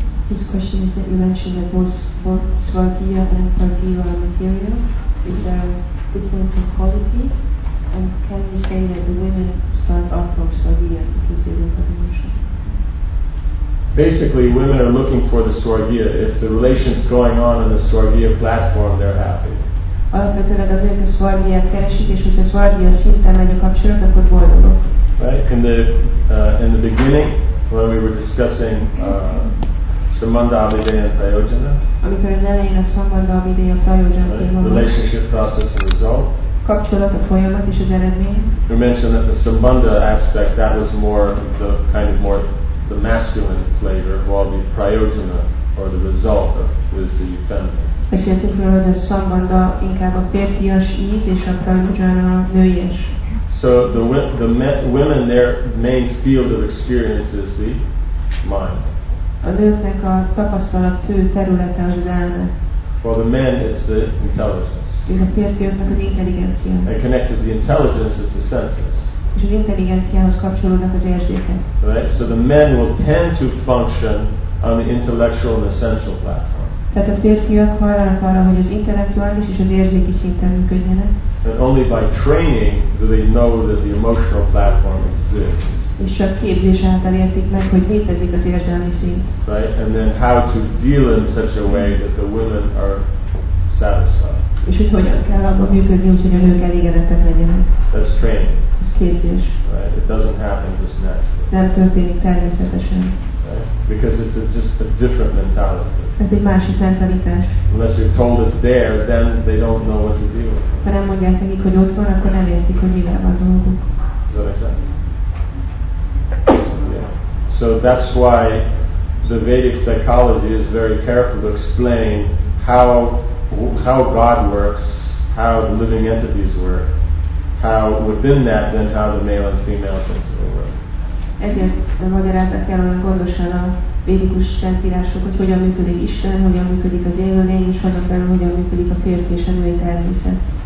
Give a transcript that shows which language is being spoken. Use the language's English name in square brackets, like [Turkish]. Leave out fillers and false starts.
[English] This question is that you mentioned that both Svargiya and Pargiya are material. Is there a difference in quality? And can we say that the women start off from Svargiya because they don't have emotion? Basically, women are looking for the Svargiya. If the relation's going on the Svargiya platform, they're happy. [Hungarian] Alapvetően a nők a Svargiyát keresik, és hogyha Svargiya szinten megy a kapcsolat, akkor boldogok. [English] Right? In the beginning, when we were discussing Samandavidaya Prayojana, relationship process and result, [Hungarian] kapcsolat, a folyamat és az eredmény. [English] We mentioned that the Sambandha aspect, that was more the kind of more the masculine flavor, while the Prayojana or the result was the feminine. [Hungarian] Beszéltük róla, hogy a szambanda inkább a férfias íz és a prajojana nőies. [English] So the women their main field of experience is the mind. [Hungarian] A nőknek a tapasztalat fő területe az elme. [English] For the men it's the intelligence. [Hungarian] És a férfiaknak az intelligencia. [English] And connected to the intelligence is the senses. [Hungarian] És az intelligenciához kapcsolódnak az érzékek. [English] Right? So the men will tend to function on the intellectual and the sensual platform. [Hungarian] Tehát a férfiak hajlanak arra, hogy az intellektuális és az érzéki szinten működjenek. [English] And only by training do they know that the emotional platform exists. [Hungarian] És csak képzés által értik meg, hogy létezik az érzelmi szint. [English] Right, and then how to deal in such a way that the women are satisfied. [Hungarian] És hogy hogyan kell abban működni, hogy a nők elégedettek legyenek. [English] That's training. [Hungarian] Ez képzés. [English] Right, it doesn't happen just naturally. [Hungarian] Nem történik természetesen. [English] Because it's just a different mentality. [Hungarian] Ez egy másik mentalitás. [English] Unless you're told it's there, then they don't know what to do. [Hungarian] Ha nem mondják nekik, hogy ott van, akkor nem értik, hogy mivel van dolguk. [English] Is that exactly? Yeah. So that's why the Vedic psychology is very careful to explain how God works, how the living entities work, how within that then how the male and female principle work. [Hungarian] Ezért magyarázat kell olyan gondosan a védikus szentírások, hogy hogyan működik Isten, hogyan működik az élőlény, és azon belül, hogyan működik a férfi és a női természet.